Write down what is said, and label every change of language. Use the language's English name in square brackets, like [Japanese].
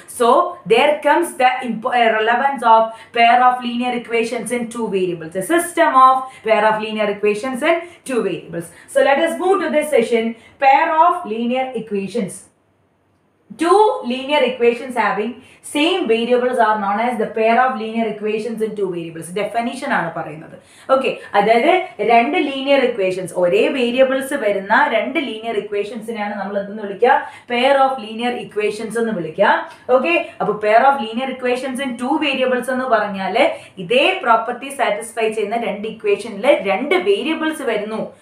[English] So there comes the relevance of pair of linear equations in two variables, a system of pair of linear equations in two variables. So let us move to this session, pair of linear equations. Two linear equations having same variables are known as the pair of linear equations in two variables. [Malayalam] Definition ആണ് പറയുന്നത്. Okay, അതായത് രണ്ട് linear equations, ഒരേ variables വരുന്ന രണ്ട് linear ഇക്വേഷൻസിനെയാണ് നമ്മൾ എന്തെന്ന് വിളിക്കുക, പെയർ ഓഫ് ലീനിയർ ഇക്വേഷൻസ് എന്ന് വിളിക്കുക. ഓക്കെ, അപ്പൊ pair of linear equations in two variables എന്ന് പറഞ്ഞാല് ഇതേ പ്രോപ്പർട്ടി സാറ്റിസ്ഫൈ ചെയ്യുന്ന രണ്ട് ഇക്വേഷനില് രണ്ട് വേരിയബിൾസ് വരുന്നു.